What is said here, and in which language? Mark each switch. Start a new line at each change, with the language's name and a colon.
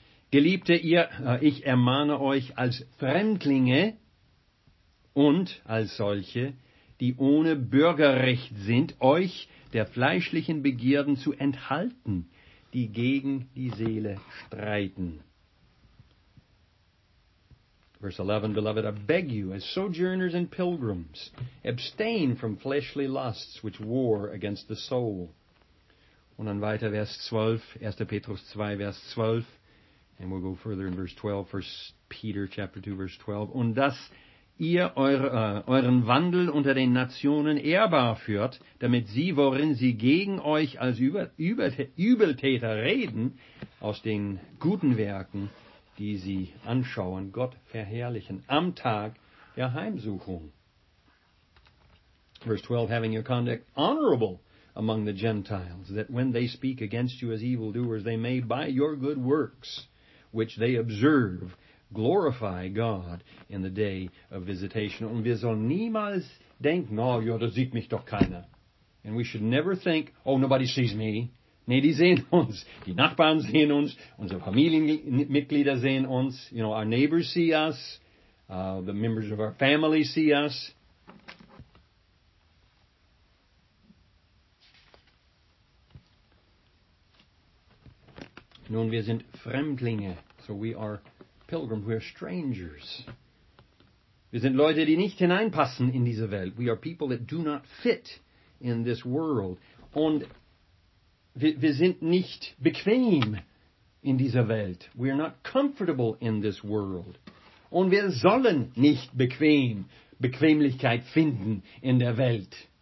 German: Geliebte, ich ermahne euch als Fremdlinge und als solche, die ohne Bürgerrecht sind, euch der fleischlichen Begierden zu enthalten, die gegen die Seele streiten.
English: Verse 11, beloved, I beg you, as sojourners and pilgrims, abstain from fleshly lusts which war against the soul.
German: Und dann weiter Vers 12, 1. Petrus 2, Vers 12.
English: And we'll go further in verse 12, 1 Peter chapter 2, verse 12.
German: Und dass ihr euren Wandel unter den Nationen ehrbar führt, damit sie, worin sie gegen euch als Übeltäter reden, aus den guten Werken, die sie anschauen, Gott verherrlichen, am Tag der Heimsuchung.
English: Verse 12, having your conduct honorable among the Gentiles, that when they speak against you as evildoers, they may, by your good works, which they observe, glorify God in the day of visitation.
German: Und wir sollen niemals denken, oh, ja, da sieht mich doch keiner.
English: And we should never think, oh, nobody sees me.
German: Nee, die sehen uns. Die Nachbarn sehen uns. Unsere Familienmitglieder sehen uns.
English: You know, our neighbors see us. The members of our family see us.
German: Nun, wir sind Fremdlinge.
English: So we are pilgrims. We are strangers.
German: Wir sind Leute, die nicht hineinpassen in diese Welt.
English: We are people that do not fit in this world.
German: Und wir sind nicht bequem in dieser Welt.
English: We are not comfortable in this world.
German: Und wir sollen nicht Bequemlichkeit finden in der Welt.